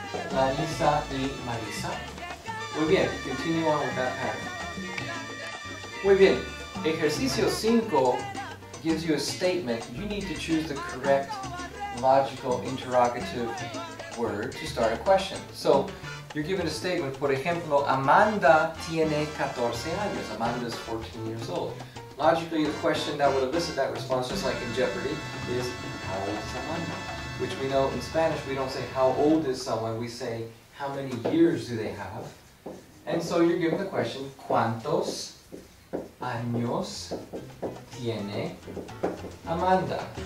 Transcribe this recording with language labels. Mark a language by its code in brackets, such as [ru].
[en] Clarisa y Marisa. [es] Muy bien. [en] Continue on with that pattern. Muy bien. Ejercicio 5 gives you a statement. You need to choose the correct logical interrogative word to start a question. So, you're given a statement, por ejemplo, [es] Amanda tiene 14 años. [en] Amanda is 14 years old. Logically, the question that would elicit that response, just like in Jeopardy, is how old is Amanda? Which we know in Spanish, we don't say how old is someone, we say how many years do they have. And so you're given the question, [es] ¿cuántos años tiene Amanda?